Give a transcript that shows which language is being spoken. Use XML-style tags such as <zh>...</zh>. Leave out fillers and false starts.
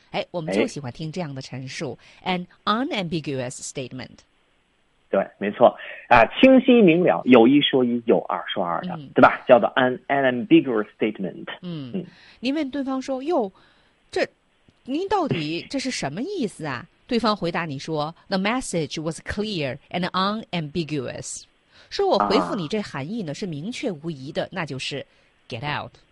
<zh>哎，我们就喜欢听这样的陈述，</zh> <en>an unambiguous statement。</en> <zh>对，没错，啊，清晰明了，有一说一，有二说二的，对吧？叫做</zh> <en>an ambiguous statement。</en> <zh>您问对方说：“哟，这您到底这是什么意思啊？” 对方回答你说：“</zh> <en>The message was clear and unambiguous。”</en> <zh>说我回复你这含义呢，是明确无疑的，那就是</zh> <en>get out。</en>